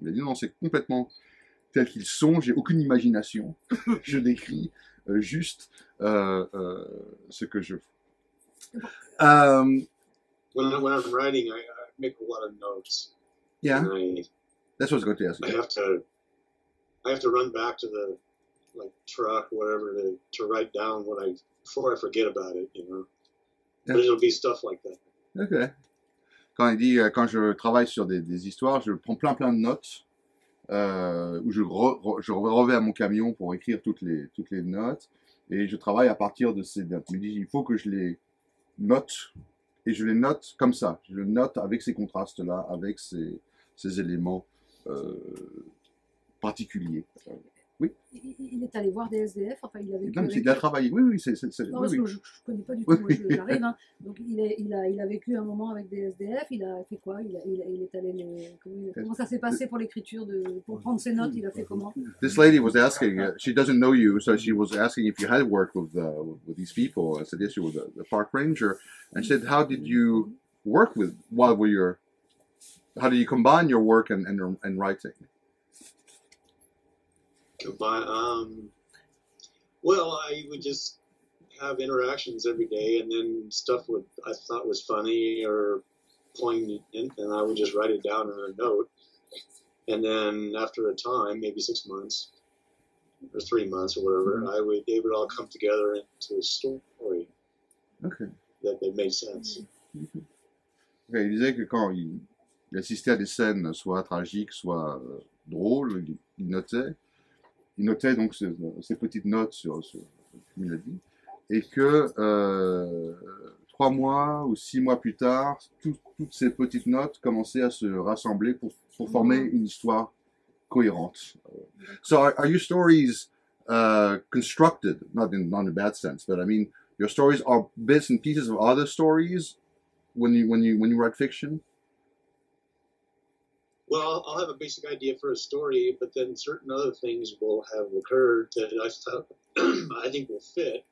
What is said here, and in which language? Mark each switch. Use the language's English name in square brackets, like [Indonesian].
[French] Il a dit non, c'est complètement tels qu'ils sont, j'ai aucune imagination, je décris juste ce que je vois. [English] When I'm writing, I make a lot of notes. Yeah, that's what's going to ask you. I have to run back to the truck, whatever, to write down what I, before I forget about it, you know. Yeah. But it'll be stuff like that. Okay. [French] Quand il dit, quand je travaille sur des histoires, je prends plein de notes. Où je reviens à mon camion pour écrire toutes les notes, et je travaille à partir de ces dates. Il me dit, il faut que je les note, et je les note comme ça. Je les note avec ces contrastes-là, avec ces éléments particuliers. Oui. Il est allé voir des SDF, enfin, il avait. Non, mais il a travaillé. Oui, oui, c'est. Non, parce que je ne connais pas du tout. Oui. J'arrive. Hein. Donc, il a vécu un moment avec des SDF. Il a fait quoi? Il est allé. Comment ça s'est passé pour l'écriture pour prendre ses notes? Il a fait comment? [English] This lady was asking. She doesn't know you, so she was asking if you had worked with these people. I said yes, she was a park ranger, and she said, how did you work with while were your? How did you combine your work and writing? But, well, I would just have interactions every day, and then stuff would I thought was funny or poignant, and I would just write it down in a note. And then after a time, maybe 6 months or 3 months or whatever, mm-hmm. They would all come together into a story. Okay. That made sense. Mm-hmm. [French] Okay, il disait que quand il assistait à des scènes, soit tragiques, soit drôles, il notait. Il notait donc ces petites notes sur ce qu'il a dit, et que 3 mois ou 6 mois plus tard, toutes ces petites notes commençaient à se rassembler pour former une histoire cohérente. [English] So are your stories constructed, not in a bad sense, but I mean, your stories are bits and pieces of other stories when you write fiction? Well, I'll have a basic idea for a story, but then certain other things will have occurred that I think will fit,